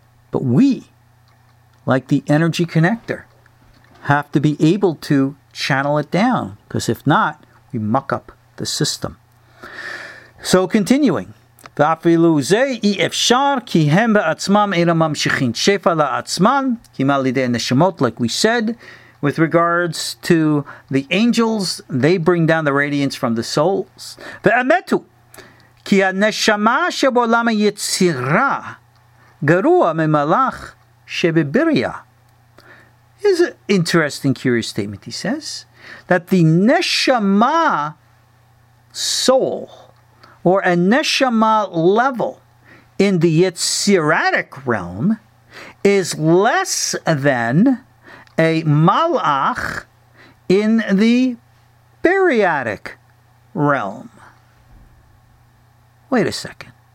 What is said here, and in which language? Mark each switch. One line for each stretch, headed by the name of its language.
English: But we, like the energy connector, have to be able to channel it down, because if not, we muck up the system. So continuing.
Hebrew: ואפילו זה אי אפשר כי הם בעצמם אינו ממשיכים שפע לעצמם כמעל ידי הנשמות,
English: like we said, with regards to the angels, they bring down the radiance from the souls.
Hebrew: ואמתו, כי הנשמה שבעולם היצירה גרוע ממלאך שבבריאה.
English: Is an interesting, curious statement, he says, that the neshama, soul, or a neshama level in the Yetziratic realm is less than a malach in the Bereatic realm. Wait a second.